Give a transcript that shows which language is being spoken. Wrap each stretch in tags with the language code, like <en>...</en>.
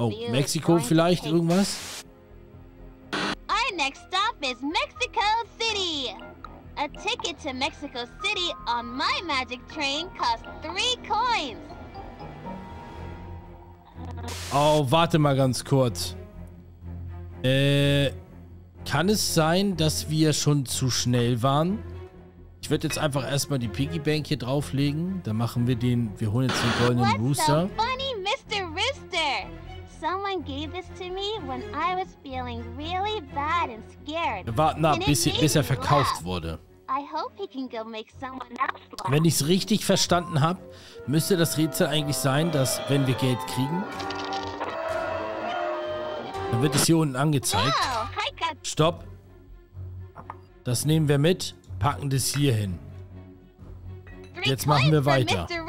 <de>oh, Mexiko vielleicht irgendwas.</de> <en>Our next stop is Mexico City. A ticket to Mexico City on my magic train costs 3 coins.</en> <de>Oh, warte mal ganz kurz. Kann es sein, dass wir schon zu schnell waren? Ich würde jetzt einfach erstmal die Piggy Bank hier drauflegen. Dann machen wir den. Wir holen jetzt den goldenen Rooster.</de> <en>What's so funny, Mr. Rooster? Someone gave this to me when I was feeling really bad and scared.</en> <de>Wir warten ab, bis er verkauft wurde.</de> <en>I hope he can go make someone else.</en> <de>Wenn ich es richtig verstanden habe, müsste das Rätsel eigentlich sein, dass wenn wir Geld kriegen, dann wird es hier unten angezeigt. Stopp. Das nehmen wir mit, packen das hier hin. Jetzt machen wir weiter.</de>